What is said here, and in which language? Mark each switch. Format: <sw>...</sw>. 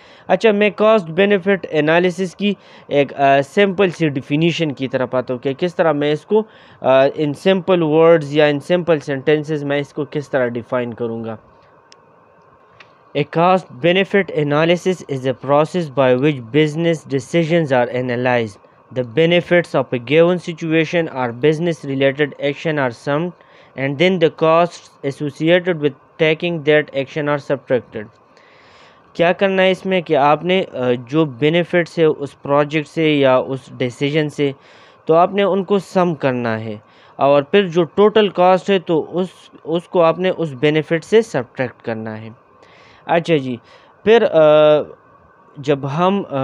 <ur>اچھا میں cost benefit analysis کی ایک سمپل سی ڈیفینیشن کی طرف آتا ہوں کہ کس طرح میں اس کو ان سمپل ورڈز یا ان سمپل سینٹنسز میں اس کو کس طرح ڈیفائن کروں گا</ur> <en>A cost benefit analysis is a process by which business decisions are analyzed. The benefits of a given situation or business related action are summed and then the costs associated with taking that action are subtracted.</en> <ur>کیا کرنا ہے اس میں کہ آپ نے جو benefits ہے اس project سے یا اس ڈیسیجن سے تو آپ نے ان کو سم کرنا ہے اور پھر جو ٹوٹل کاسٹ ہے تو اس کو آپ نے اس بینیفٹ سے سبٹریکٹ کرنا ہے اچھا جی پھر جب ہم</ur>